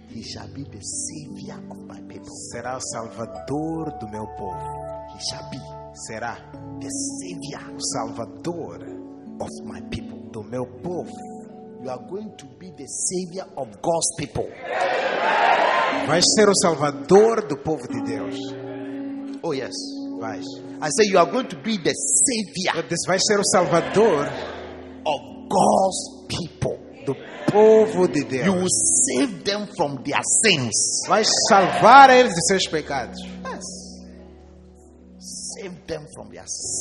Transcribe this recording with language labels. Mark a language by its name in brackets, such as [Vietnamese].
[English] He shall be the savior of my people. [Portuguese] Será o salvador do meu povo. [English] He shall be. [Portuguese] Será [English] the savior. [Portuguese] O salvador [English] of my people. [Portuguese] Do meu povo. [English] You are going to be the savior of God's people. [Portuguese] Vai ser o salvador do povo de Deus. [English] Oh yes. [Portuguese] Vai. [English] I say you are going to be the savior. [Portuguese] Você vai ser o salvador [English] of God's people. [Portuguese] Do povo de Deus. [English] You will save them from their sins. [Portuguese] Vai salvar eles de seus pecados. [English] Yes. Save them from their sins.